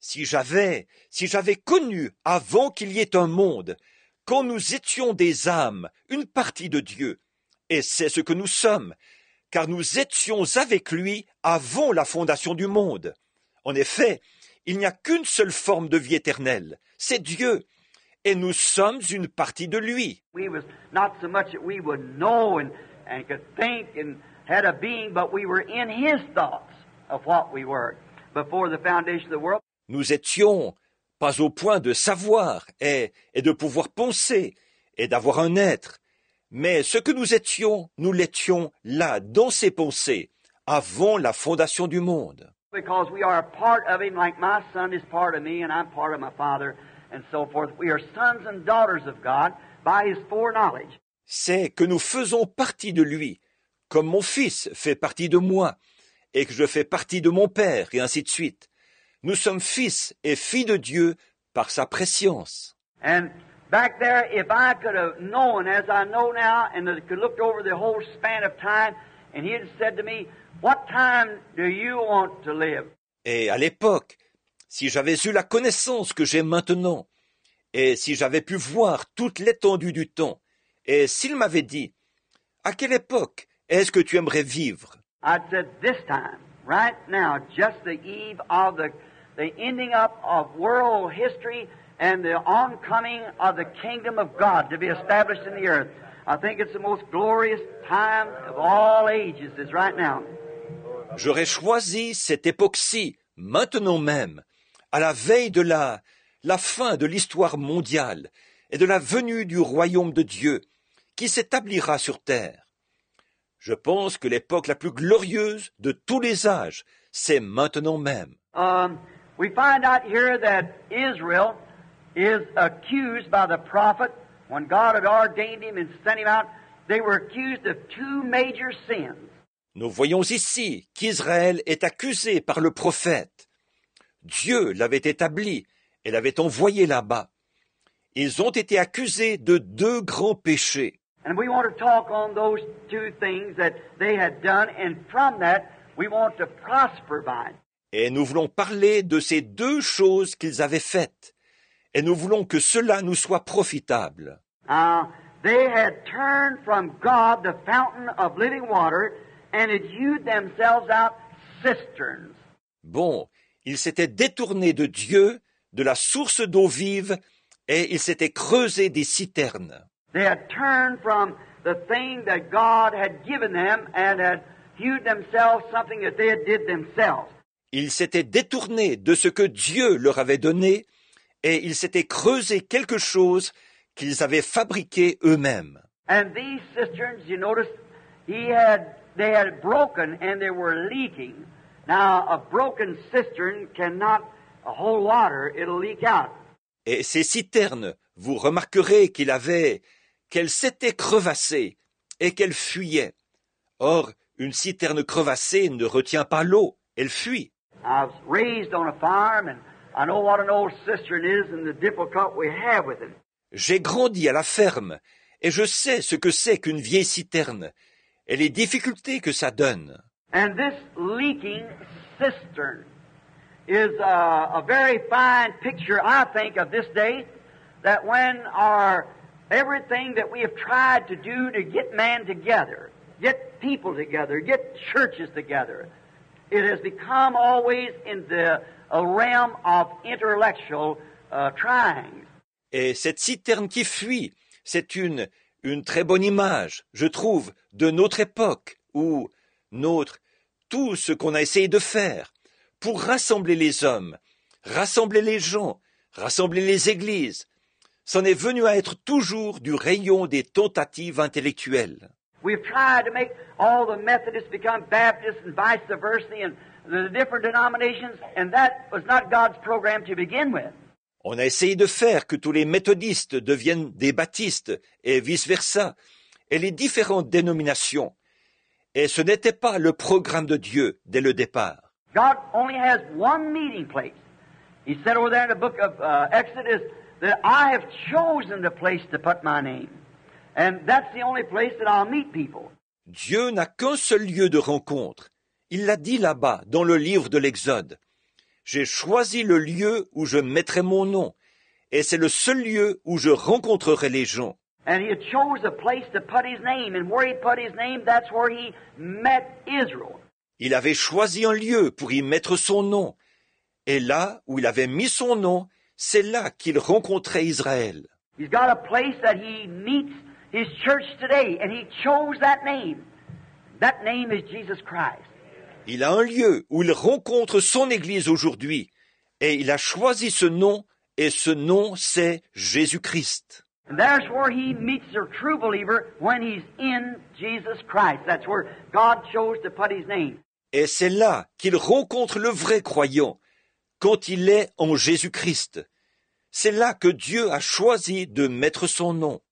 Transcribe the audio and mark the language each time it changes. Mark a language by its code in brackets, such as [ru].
[fr] Si j'avais connu avant qu'il y ait un monde, quand nous étions des âmes, une partie de Dieu, et c'est ce que nous sommes, car nous étions avec lui avant la fondation du monde. En effet, il n'y a qu'une seule forme de vie éternelle, c'est Dieu, et nous sommes une partie de lui. [en] We was not so much that we would know and could think and had a being, but we were in his thoughts of what we were before the foundation of the world. [fr] Nous étions pas au point de savoir et de pouvoir penser et d'avoir un être, mais ce que nous l'étions là, dans ses pensées, avant la fondation du monde. [en] Because we are a part of him, like my son is part of me, and I'm part of my father, and so forth. We are sons and daughters of God by his foreknowledge. [fr] C'est que nous faisons partie de lui, comme mon fils fait partie de moi, et que je fais partie de mon père, et ainsi de suite. Nous sommes fils et filles de Dieu par sa préscience. [en] And back there, if I could have known as I know now, and I could look over the whole span of time, and he had said to me, what time do you want to live? [fr] Et à l'époque, si j'avais eu la connaissance que j'ai maintenant, et si j'avais pu voir toute l'étendue du temps, et s'il m'avait dit, à quelle époque est-ce que tu aimerais vivre? [en] I'd said, this time, right now, just the eve of the the ending up of world history and the oncoming of the kingdom of God to be established in the earth. I think it's the most glorious time of all ages is right now. [fr] J'aurais choisi cette époque-ci, maintenant même, à la veille de la fin de l'histoire mondiale et de la venue du royaume de Dieu qui s'établira sur terre. Je pense que l'époque la plus glorieuse de tous les âges, c'est maintenant même. [en] We find out here that Israel is accused by the prophet when God had ordained him and sent him out. They were accused of two major sins. [fr] Nous voyons ici qu'Israël est accusé par le prophète. Dieu l'avait établi et l'avait envoyé là-bas. Ils ont été accusés de deux grands péchés. [en] And we want to talk on those two things that they had done, and from that we want to prosper by it. [fr] Et nous voulons parler de ces deux choses qu'ils avaient faites, et nous voulons que cela nous soit profitable. [en] They had turned from God, the fountain of living water, and had hewed themselves out cisterns. [fr] Bon, ils s'étaient détournés de Dieu, de la source d'eau vive, et ils s'étaient creusés des citernes. [en] They had turned from the thing that God had given them and had hewed themselves something that they had did themselves. [fr] Ils s'étaient détournés de ce que Dieu leur avait donné et ils s'étaient creusé quelque chose qu'ils avaient fabriqué eux-mêmes. [en] And these cisterns, you notice, they had broken and they were leaking. Now, a broken cistern cannot hold water, it'll leak out. [fr] Et ces citernes, vous remarquerez qu'elles s'étaient crevassées et qu'elles fuyaient. Or, une citerne crevassée ne retient pas l'eau, elle fuit. [en] I was raised on a farm and I know what an old cistern is and the difficulty we have with it. [fr] J'ai grandi à la ferme et je sais ce que c'est qu'une vieille citerne et les difficultés que ça donne. [en] And this leaking cistern is a very fine picture, I think, of this day, that when everything that we have tried to do to get man together, get people together, get churches together, it has become always in the realm of intellectual trying. [fr] Et cette citerne qui fuit, c'est une très bonne image, je trouve, de notre époque où tout ce qu'on a essayé de faire pour rassembler les hommes, rassembler les gens, rassembler les églises, c'en est venu à être toujours du rayon des tentatives intellectuelles. [en] We've tried to make all the Methodists become Baptists and vice versa and the different denominations, and that was not God's program to begin with. [fr] On a essayé de faire que tous les méthodistes deviennent des baptistes et vice-versa, et les différentes dénominations. Et ce n'était pas le programme de Dieu dès le départ. [en] God only has one meeting place. He said over there in the book of Exodus that I have chosen the place to put my name. And that's the only place that I'll meet people. [fr] Dieu n'a qu'un seul lieu de rencontre. Il l'a dit là-bas, dans le livre de l'Exode. J'ai choisi le lieu où je mettrai mon nom, et c'est le seul lieu où je rencontrerai les gens. [en] And he had chose a place to put his name, and where he put his name, that's where he met Israel. [fr] Il avait choisi un lieu pour y mettre son nom, et là où il avait mis son nom, c'est là qu'il rencontrait Israël. [en] He's got a place that he meets His church today, and he chose that name. That name is Jesus Christ. [fr] Il a un lieu où il rencontre son église aujourd'hui, et il a choisi ce nom, et ce nom, c'est Jésus-Christ. [en] And that's where he meets the true believer when he's in Jesus Christ. That's where God chose to put his name. [fr] Et c'est là qu'il rencontre le vrai croyant, quand il est en Jésus-Christ. C'est là que Dieu a choisi de mettre son nom.